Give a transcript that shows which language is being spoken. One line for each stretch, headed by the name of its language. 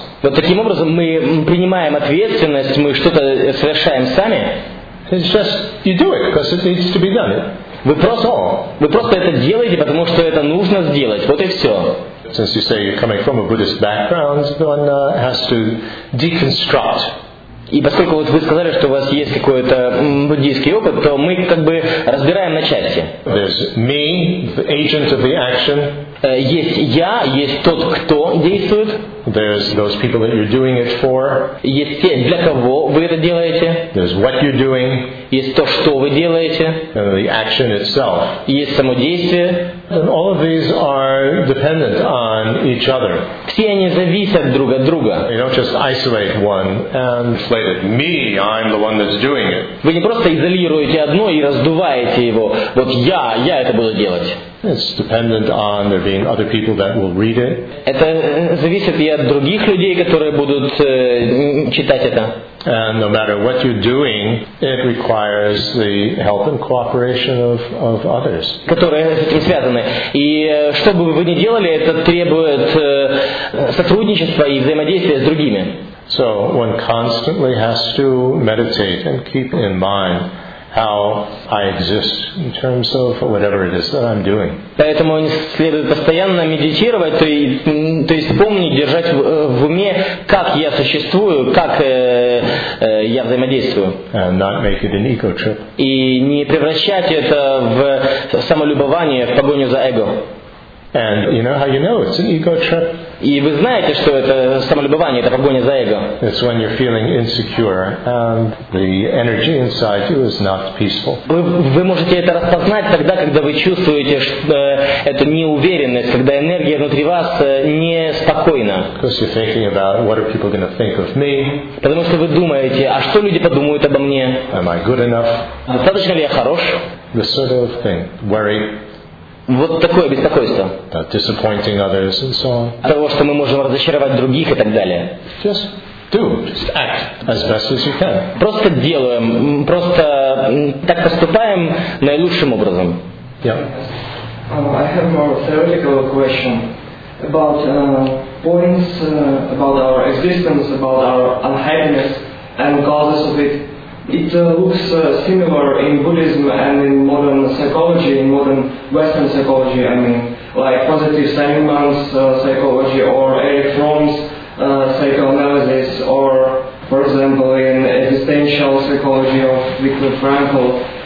Russian: Вот таким образом мы принимаем ответственность, мы что-то совершаем сами.
English: It's just you do it because it needs to be done.
Russian: Вы просто это делаете, потому что это нужно сделать. Вот и все.
English: Since you say you're coming from a Buddhist background, one has to deconstruct.
Russian: И поскольку вот вы сказали, что у вас есть какой-то буддийский опыт, то мы как бы разбираем на части.
English: There's me, the agent of the action.
Russian: Есть я, есть тот, кто действует.
English: There's those people that you're doing it for.
Russian: Есть те, для кого вы это делаете.
English: There's what you're doing.
Russian: Есть то, что вы делаете.
English: And the action itself.
Russian: Есть само действие.
English: And all of these are dependent on each other.
Russian: Все они зависят друг от друга.
English: You don't just isolate one and say that me, I'm the one that's doing it.
Russian: Вы не просто изолируете одно и раздуваете его. Вот я это буду делать.
English: It's dependent on there being other people that will read it.
Russian: Это зависит и от других людей, которые будут читать это.
English: And no matter what you're doing, it requires the help and cooperation of others.
Russian: Которые с этим связаны. И что бы вы ни делали, это требует сотрудничества и взаимодействия с другими.
English: So one constantly has to meditate and keep in mind how I exist in terms of whatever it is that I'm doing.
Russian: Поэтому следует постоянно медитировать, то есть помнить, держать в уме, как я существую, как я взаимодействую.
English: And not make it an ego trip.
Russian: И не превращать это в самолюбование, в погоню за эго.
English: And you know how you know it's an ego trip?
Russian: И вы знаете, что это самолюбование, это погоня за эго.
English: It's when you're feeling insecure and the energy inside you is not peaceful.
Russian: Вы можете это распознать тогда, когда вы чувствуете эту неуверенность, когда энергия внутри вас неспокойна.
English: Because you're thinking about what are people going to think of me?
Russian: Потому что вы думаете, а что люди подумают обо мне?
English: Am I good enough?
Russian: Достаточно ли я хорош?
English: This sort of thing, worry.
Russian: Вот такое беспокойство.
English: That disappointing others and so on.
Russian: От того, что мы можем разочаровать других и так далее.
English: Just do, just act as best as you can.
Russian: Просто делаем, просто так поступаем наилучшим образом.
English: Yeah. I have more theoretical question about points about our existence, about our unhappiness and causes of it. It looks similar in Buddhism and in modern psychology, in modern Western psychology, I mean, like positive sentiments psychology or Eric Fromm's psychoanalysis, or for example in existential psychology of Viktor Frankl.